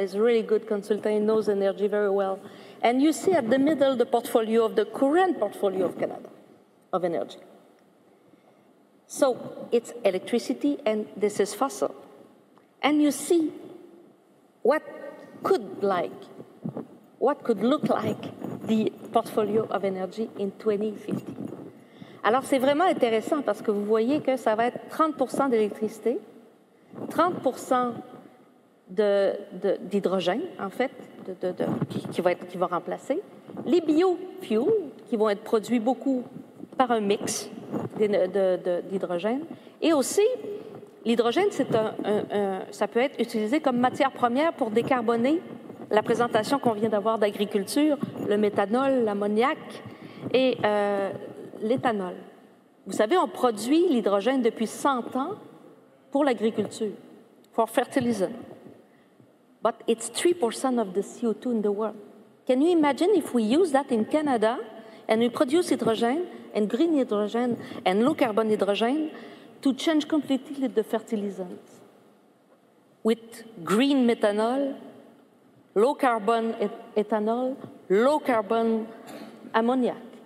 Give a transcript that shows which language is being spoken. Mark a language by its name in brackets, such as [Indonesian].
[English] He's a really good consultant. He knows energy very well. And you see at the middle the portfolio of the current portfolio of Canada of energy. So it's electricity, and this is fossil. And you see what could look like the portfolio of energy in 2050. [French] Alors, c'est vraiment intéressant parce que vous voyez que ça va être 30% d'électricité, 30% d'hydrogène, en fait, qui va remplacer, les biofuels qui vont être produits beaucoup par un mix d'hydrogène. Et aussi, l'hydrogène, c'est ça peut être utilisé comme matière première pour décarboner la présentation qu'on vient d'avoir d'agriculture, le méthanol, l'ammoniac et l'éthanol. Vous savez, on produit l'hydrogène depuis 100 ans pour l'agriculture, [English] for fertilizer. But it's 3% of the CO2 in the world. Can you imagine if we use that in Canada and we produce hydrogen and green hydrogen and low carbon hydrogen to change completely the fertilizers with green methanol, low carbon ethanol, low carbon ammoniac.